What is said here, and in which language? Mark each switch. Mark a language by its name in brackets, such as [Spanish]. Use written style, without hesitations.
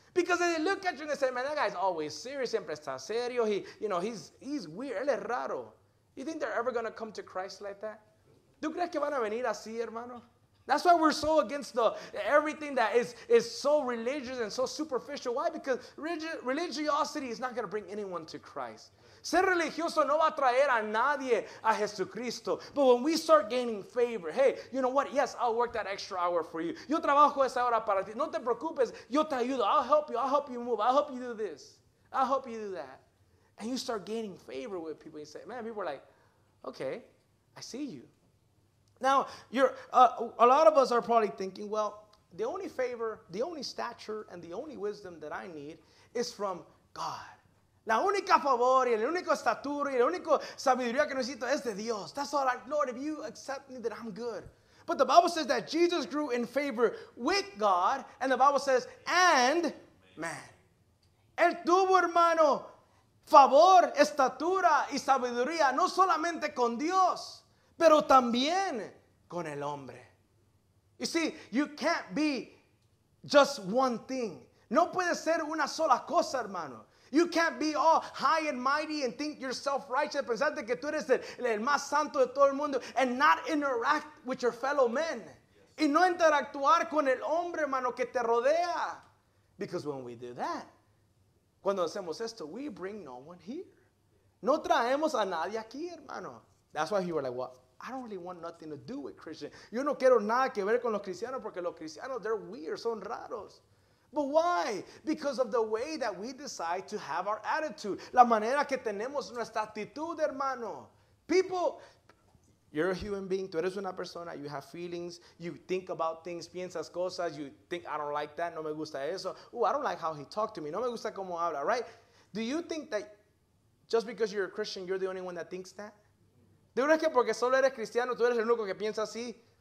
[English] Because they look at you and they say, man, that guy's always serious. [Spanish] Siempre está serio. [English] He, you know, he's weird. [Spanish] Él es raro. [English] You think they're ever going to come to Christ like that? [Spanish] ¿Tú crees que van a venir así, hermano? [English] That's why we're so against everything that is so religious and so superficial. Why? Because religiosity is not going to bring anyone to Christ. [Spanish] Ser religioso no va a traer a nadie a Jesucristo. [English] But when we start gaining favor, hey, you know what? Yes, I'll work that extra hour for you. [Spanish] Yo trabajo esa hora para ti. No te preocupes. Yo te ayudo. [English] I'll help you. I'll help you move. I'll help you do this. I'll help you do that. And you start gaining favor with people. You say, man, people are like, okay, I see you. Now, a lot of us are probably thinking, well, the only favor, the only stature, and the only wisdom that I need is from God. [Spanish] La única favor y el único estatura y el único sabiduría que necesito es de Dios. [English] That's all right. Lord, if you accept me, then I'm good. But the Bible says that Jesus grew in favor with God. And the Bible says, and man. [Spanish] Él tuvo, hermano, favor, estatura y sabiduría, no solamente con Dios, pero también con el hombre. [English] You see, you can't be just one thing. [Spanish] No puede ser una sola cosa, hermano. [English] You can't be all high and mighty and think yourself righteous, [Spanish] pensarte que tú eres el más santo de todo el mundo, [English] and not interact with your fellow men. [Spanish] Y no interactuar con el hombre, hermano, que te rodea. [English] Because when we do that, [Spanish] cuando hacemos esto, [English] we bring no one here. [Spanish] No traemos a nadie aquí, hermano. [English] That's why you were like, well, I don't really want nothing to do with Christians. [Spanish] Yo no quiero nada que ver con los cristianos porque los cristianos, [English] they're weird, [Spanish] son raros. [English] But why? Because of the way that we decide to have our attitude. [Spanish] La manera que tenemos nuestra actitud, hermano. [English] People, you're a human being. [Spanish] Tú eres una persona. [English] You have feelings. You think about things. [Spanish] Piensas cosas. [English] You think, I don't like that. [Spanish] No me gusta eso. [English] Ooh, I don't like how he talked to me. [Spanish] No me gusta cómo habla, [English] right? Do you think that just because you're a Christian, you're the only one that thinks that? [Spanish] ¿Tú crees que porque solo eres cristiano, tú eres el único que piensa así?